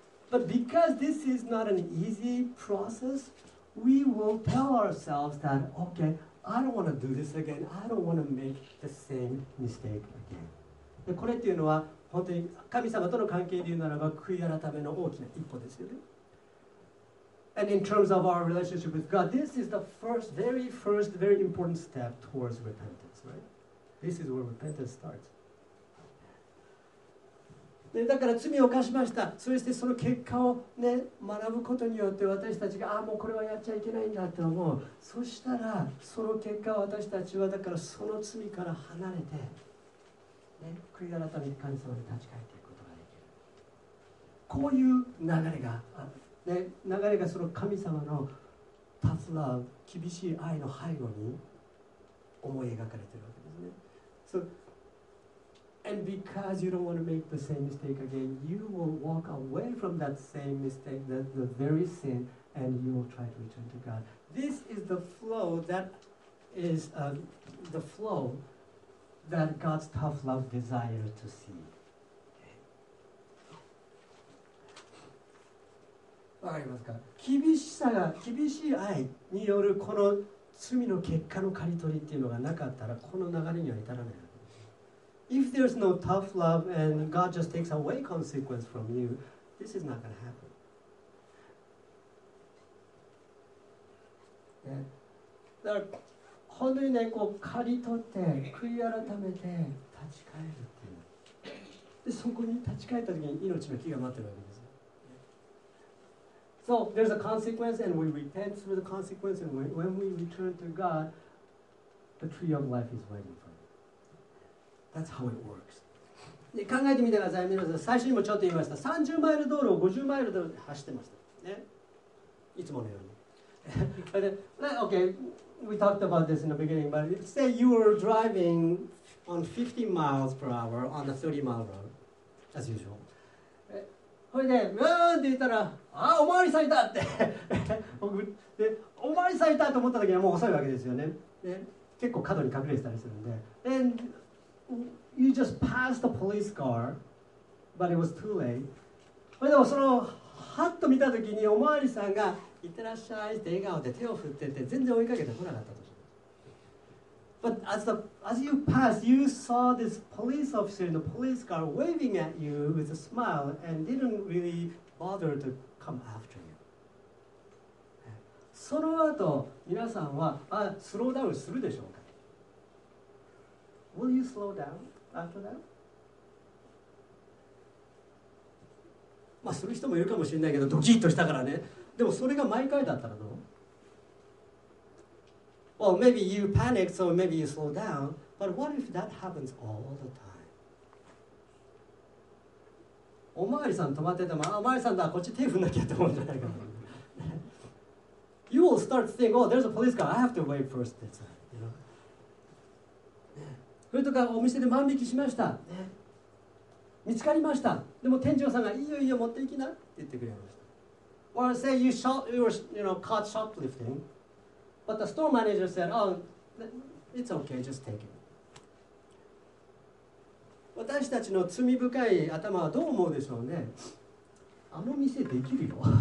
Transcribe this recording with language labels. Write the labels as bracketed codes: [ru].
[en] But because this is not an easy process, we will tell ourselves that, okay, I don't want to do this again. I don't want to make the same mistake again. [ja] でこれっていうのは、本当に神様との関係で言うならば悔い改めの大きな一歩ですよね。 [en] And in terms of our relationship with God, this is the first, very first, very important step towards repentance, right? This is where repentance starts. [ja] でだから罪を犯しました。そしてその結果を、ね、学ぶことによって私たちが、ああ、もうこれはやっちゃいけないんだって思う。そしたらその結果私たちはだからその罪から離れて、ね、悔い改めに神様に立ち返っていくことができる。こういう流れが、ね、流れがその神様のタフラブ、厳しい愛の背後に思い描かれているわけですね。 [en] So, And because you don't want to make the same mistake again, you will walk away from that same mistake, the very sin, and you will try to return to God. This is the flow that is the flow that God's tough love desires to see. [ja] わかりますか。厳しさが厳しい愛によるこの罪の結果の刈り取りっていうのがなかったらこの流れには至らない。 [en] If there's no tough love and God just takes away consequence from you, this is not going to happen. [ja] だから本当にねこう刈り取って悔い改めて立ち返るっていう。でそこに立ち返った時に命の木が待ってるわけです。 [en] So there's a consequence and we repent through the consequence and when we return to God, the tree of life is waiting for us. That's how it works. [ja] で考えてみてください。皆さん、最初にもちょっと言いました。30マイル道路を50マイル道路で走ってました。ね、いつものように。 [en] okay, we talked about this in the beginning, but say you were driving on 50 miles per hour on the 30 mile road, as usual. [ja] それで、うーんって言ったら、ああ、おまわりさんいたって僕で、おまわりさんいたと思った時はもう遅いわけですよね。で結構角に隠れてたりするんで。 [en] And you just passed the police car, but it was too late. [ja] それでもその、ハッと見た時におまわりさんが、いってらっしゃいって笑顔で手を振ってて、全然追いかけてこなかったと。 [en] But as you passed, you saw this police officer in the police car waving at you with a smile and didn't really bother to come after you. [ja] その後、皆さんは、あ、スローダウンするでしょうか? [en] Will you slow down after that? [ja] まあ、する人もいるかもしれないけど、ドキッとしたからね。でもそれが毎回だったらどう? [en] Well, maybe you panic, so maybe you slow down. But what if that happens all the time? [ja] おまわりさん止まってても、あ、おまわりさんだ、こっち手振んなきゃって思うんじゃないか。 [en] You will start to think, oh, there's a police car. I have to wait first. That's right. You know? [ja] それとか、お店で万引きしました。見つかりました。でも店長さんが、いいよいいよ、持って行きなって言ってくれました。 [en] Or say you were caught shoplifting. But the store manager said, oh, it's okay, just take it. [ja] 私たちの罪深い頭はどう思うでしょうね。あの店できるよ。